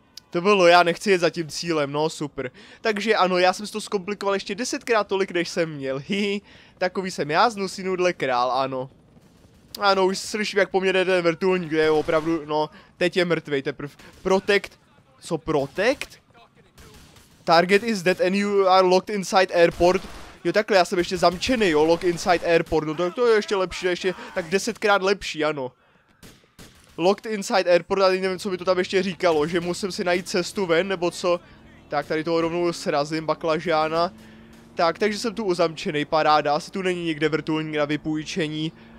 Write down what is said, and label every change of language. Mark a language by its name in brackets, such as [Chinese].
[Czech] To bylo, já nechci jet za tím cílem, no super. Takže ano, já jsem si to zkomplikoval ještě 10x tolik, než jsem měl. Takový jsem já, znusí nudle král, ano. Ano, už slyším, jak poměrně ten vrtulník, kde je opravdu, no, teď je mrtvej, teprve. Protect, co protect? [English] Target is dead and you are locked inside airport. [Czech] Jo, takhle, já jsem ještě zamčený, jo, [English] lock inside airport, [Czech] no to je ještě lepší, ještě tak 10x lepší, ano. [English] Locked inside airport, [Czech] ale nevím, co by to tam ještě říkalo, že musím si najít cestu ven, nebo co. Tak, tady toho rovnou srazím, baklažána. Tak, takže jsem tu uzamčený, paráda, asi tu není nikde vrtulník na vypůjčení.